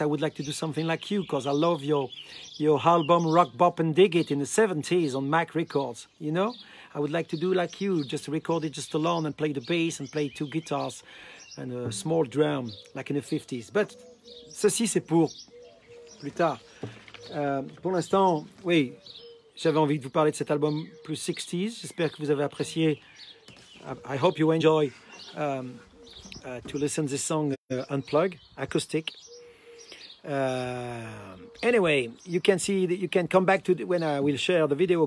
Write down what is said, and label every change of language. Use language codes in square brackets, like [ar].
[en] I would like to do something like you because I love your album Rock Bop and Dig It in the 70s on Mac Records, you know. I would like to do like you, just record it just alone and play the bass and play two guitars and a small drum like in the 50s. [fr] But ceci c'est pour plus tard. Pour l'instant, oui, j'avais envie de vous parler de cet album plus 60s. J'espère que vous avez apprécié. [en] I hope you enjoy to listen to this song Unplug, acoustic. Anyway, you can see that you can come back to when I will share the video.